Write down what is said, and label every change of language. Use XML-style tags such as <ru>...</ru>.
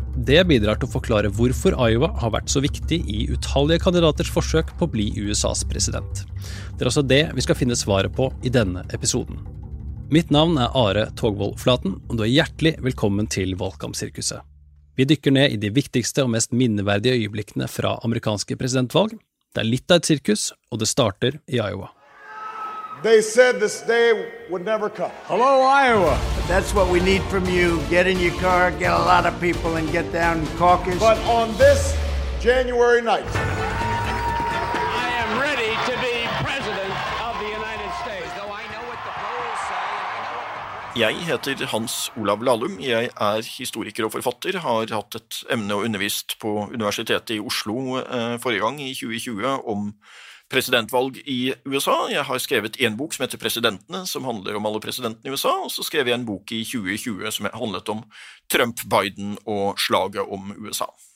<no>Det bidrar til å forklare hvorfor Iowa har vært så viktig I utallige kandidaters forsøk på å bli USAs president. Det altså det vi skal finne svaret på I denne episoden. Mitt navn Are Togvold Flaten, og du hjertelig velkommen til Valgkampsirkuset. Vi dykker ned I de viktigste og mest minneverdige øyeblikkene fra amerikanske presidentvalg. Det litt av et sirkus, og det starter I Iowa.</no> <en>They said this day would never come. Hello, Iowa. That's what we need from you. Get in your car, get a lot of people, and get down and caucus. But on this January night, I am ready to be president of the United States. Though I know what the polls say.</en> <no>Jeg heter Hans Olav Lahlum. Jeg historiker og forfatter. Har hatt et emne og undervist på Universitetet I Oslo forrige gang I 2020 om presidentvalg I USA. Jeg har skrevet en bok som heter Presidentene, som handler om alle presidentene I USA, og så skrev jeg en bok I 2020 som handlet om Trump, Biden og slaget om USA.</no>